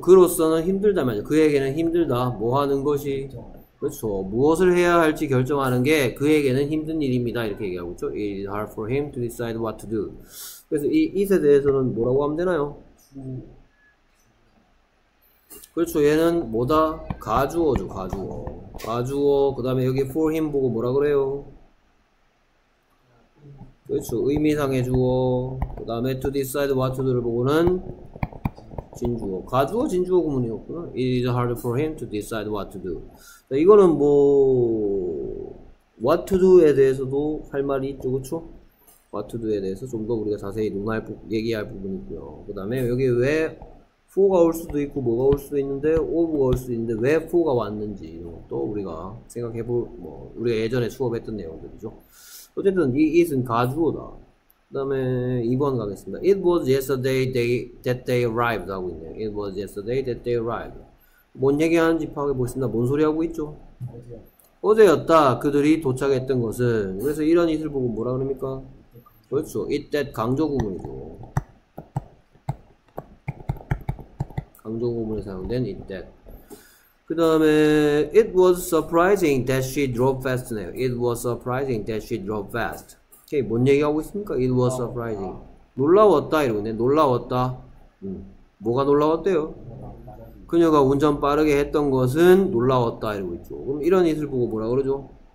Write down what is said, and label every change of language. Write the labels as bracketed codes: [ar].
[ko] 그로서는 힘들다 말이죠. 그에게는 힘들다. 뭐 하는 것이? 그렇죠. 무엇을 해야 할지 결정하는 게 그에게는 힘든 일입니다. 이렇게 얘기하고 있죠. [en] It is hard for him to decide what to do. [ko] 그래서 이 it에 대해서는 뭐라고 하면 되나요? 그렇죠. 얘는 뭐다? 가주어죠. 가주어. 가주어. 그 다음에 여기 for him 보고 뭐라 그래요? 그렇죠. 의미상의 주어. 그 다음에 to decide what to do를 보고는 진주어. 가주어 진주어 구문이었구나. [en] It is hard for him to decide what to do. [ko] 자, 이거는 뭐 what to do에 대해서도 할 말이 있죠. 그렇죠? what to do에 대해서 좀 더 우리가 자세히 논할 얘기할 부분이 있고요. 그 다음에 여기 왜 4가 올 수도 있고 뭐가 올 수도 있는데 5가 올 수도 있는데 왜 4가 왔는지 또 우리가 생각해볼 뭐 우리가 예전에 수업했던 내용들이죠. 어쨌든 이 it은 가주어다. 다음에 2번 가겠습니다. [en] It was yesterday that they arrived [ko] 하고 있네요. [en] It was yesterday that they arrived. [ko] 뭔 얘기하는지 파악해 보겠습니다. 뭔 소리 하고 있죠? 어제였다. 그들이 도착했던 것은. 그래서 이런 이들 보고 뭐라 그럽니까? 그렇죠. It that 강조 구문이죠. 강조 구문에 사용된 it that. 그 다음에 [en] It was surprising that she drove fast네요. It was surprising that she drove fast. [ko] 이게 뭔 얘기하고 있습니까? [en] It was surprising. [ko] 놀라웠다 이러네. 놀라웠다. 뭐가 놀라웠대요? 그녀가 운전 빠르게 했던 것은 놀라웠다 이러고 있죠. 그럼 이런 이슬 보고 뭐라 그러죠?